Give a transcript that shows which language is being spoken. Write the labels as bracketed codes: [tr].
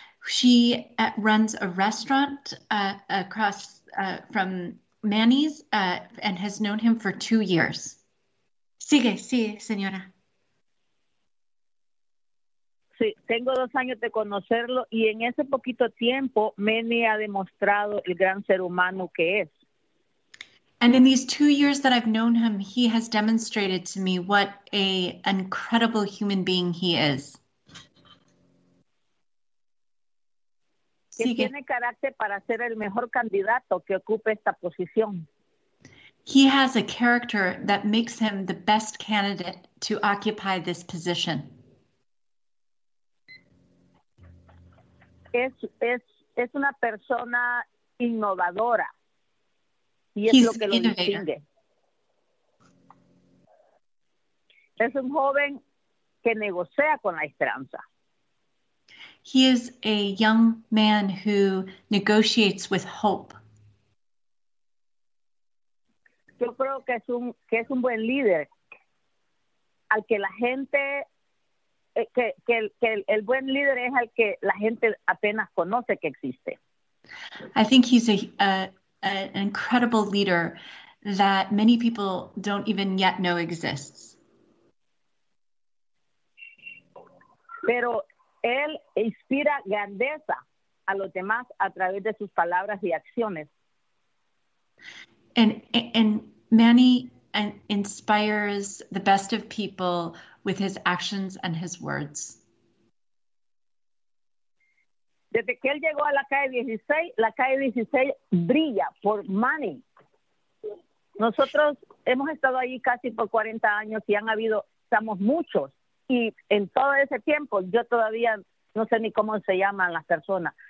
[en] She runs a restaurant across from Manny's and has known him for 2 years. [es] Sigue, sigue, señora. Sí, tengo 2 años de conocerlo y en ese poquito tiempo Manny ha demostrado el gran ser humano que es. [en] And in these 2 years that I've known him, he has demonstrated to me what an incredible human being he is. [es] Que tiene carácter para ser el mejor candidato que ocupe esta posición. [en] He has a character that makes him the best candidate to occupy this position. [es] es una persona innovadora. Y [en] he's [es] es lo que lo distingue. Es un joven que negocia con la esperanza. [en] He is a young man who negotiates with hope. [es] Yo creo que es un buen líder. Al que la gente que el buen líder es al que la gente apenas conoce que existe. [en] I think he's an incredible leader that many people don't even yet know exists. [es] Pero él inspira grandeza a los demás a través de sus palabras y acciones. [en] And Manny inspires the best of people with his actions and his words. [es] Desde que él llegó a la calle 16 brilla por Manny. Nosotros hemos estado ahí casi por 40 años y estamos muchos. Y en todo ese tiempo, yo todavía no sé ni cómo se llaman las personas.